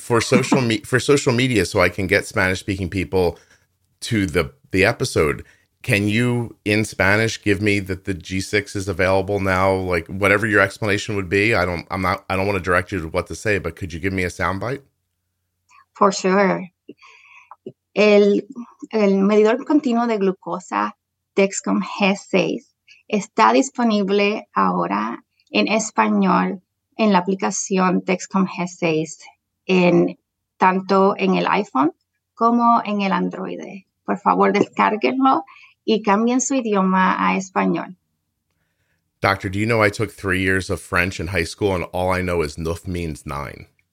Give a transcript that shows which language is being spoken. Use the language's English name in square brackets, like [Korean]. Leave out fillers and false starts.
[English] for social media, so I can get Spanish-speaking people to the episode, can you, in Spanish, give me that the G6 is available now? Like, whatever your explanation would be, I don't want to direct you to what to say, but could you give me a soundbite? For sure. [Spanish] El medidor continuo de glucosa, Dexcom G6, está disponible ahora en español en la aplicación Dexcom G6 en tanto en el iPhone como en el Android. Por favor, descárguenlo y cambien su idioma a español. [English] Doctor, do you know I took 3 years of French in high school and all I know is neuf means nine?